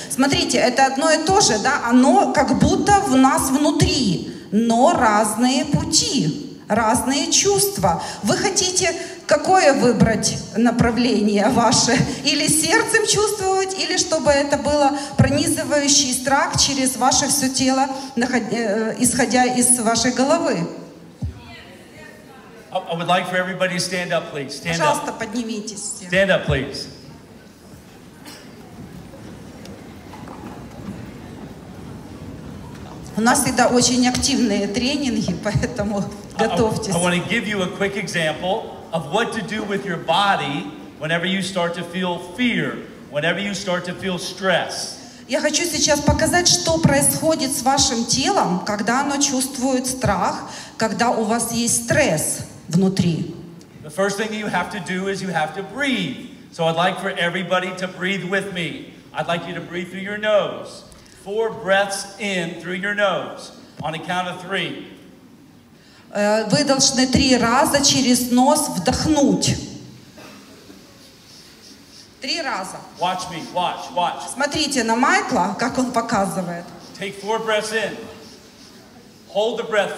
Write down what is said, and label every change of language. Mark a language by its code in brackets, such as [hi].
[ru] Смотрите, это одно и то же, да? Оно как будто в нас внутри, но разные пути, разные чувства. Вы хотите какое выбрать направление ваше? Или сердцем чувствовать, или чтобы это было пронизывающий страх через ваше все тело, исходя из вашей головы? [en] I would like for everybody to stand up, please. Stand up. [ru] Пожалуйста, поднимитесь все. [en] Stand up, please. [ru] У нас всегда очень активные тренинги, поэтому готовьтесь. [en] I want to give you a quick example of what to do with your body whenever you start to feel fear, whenever you start to feel stress. [ru] Я хочу сейчас показать, что происходит с вашим телом, когда оно чувствует страх, когда у вас есть стресс. Внутри. [en] The first thing you have to do is you have to breathe. So I'd like for everybody to breathe with me. I'd like you to breathe through your nose. 4 breaths in through your nose. On a count of 3. [ru] Вы должны 3 раза через нос вдохнуть. 3 раза. [en] Watch me. Watch. Watch. [ru] Смотрите на Майкла, как он показывает. [en] Take 4 breaths in. Hold the breath